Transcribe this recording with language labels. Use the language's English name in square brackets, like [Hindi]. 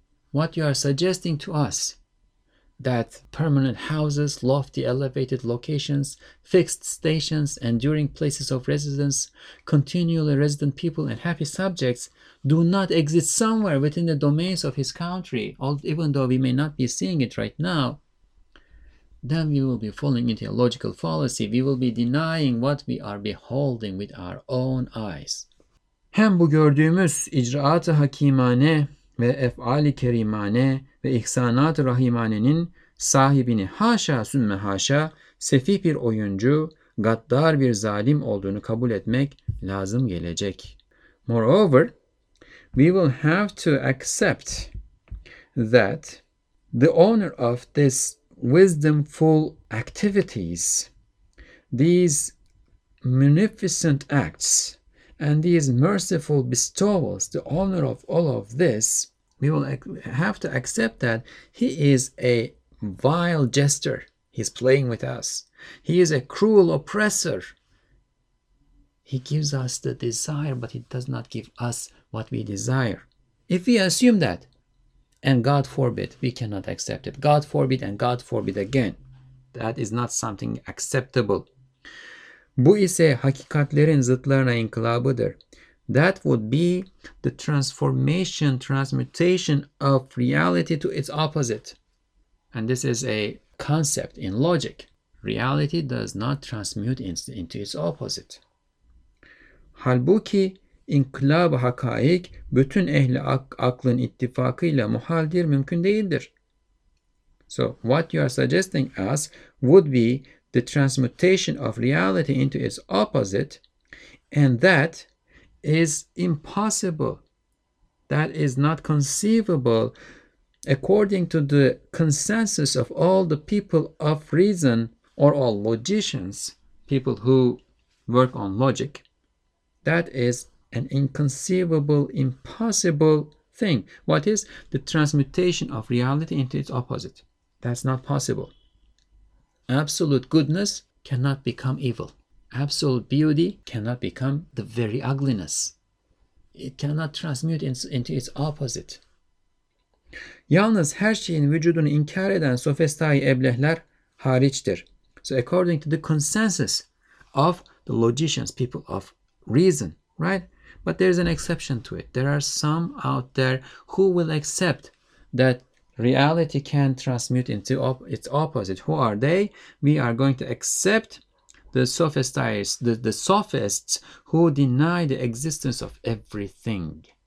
[English] What you are suggesting to us, that permanent houses, lofty elevated locations, fixed stations, enduring places of residence, continually resident people and happy subjects do not exist somewhere within the domains of his country, even though we may not be seeing it right now, then we will be falling into a logical fallacy. We will be denying what we are beholding with our own eyes. [Turkish] Hem bu gördüğümüz icraat-ı hakimane ve ef'al-i kerimane ve ihsanat-ı rahimanenin sahibini haşa sümme haşa sefih bir oyuncu, gaddar bir zalim olduğunu kabul etmek lazım gelecek. [English] Moreover, we will have to accept that the owner of this wisdomful activities, these munificent acts, and these merciful bestowals, the owner of all of this, we will have to accept that he is a vile jester. He's playing with us. He is a cruel oppressor. He gives us the desire, but he does not give us what we desire. If we assume that, and God forbid, we cannot accept it. God forbid and God forbid again. That is not something acceptable. [Turkish] Bu ise hakikatlerin zıtlarına inkılabıdır. [English] That would be the transformation, transmutation of reality to its opposite. And this is a concept in logic. Reality does not transmute into its opposite. [Turkish] Halbuki inkılab-ı hakaik bütün ehli aklın ittifakıyla muhaldir, mümkün değildir. [English] So what you are suggesting us would be the transmutation of reality into its opposite, and that is impossible. That is not conceivable according to the consensus of all the people of reason or all logicians, people who work on logic. That is an inconceivable, impossible thing. What is the transmutation of reality into its opposite? That's not possible. Absolute goodness cannot become evil. Absolute beauty cannot become the very ugliness. It cannot transmute into its opposite. [Turkish] Yalnız her şeyin vücudunu inkar eden sofestai eblehler hariçtir. [English] So according to the consensus of the logicians, people of reason, right? But there is an exception to it. There are some out there who will accept that reality can transmute into its opposite. Who are they? We are going to accept the sophists, the sophists who deny the existence of everything.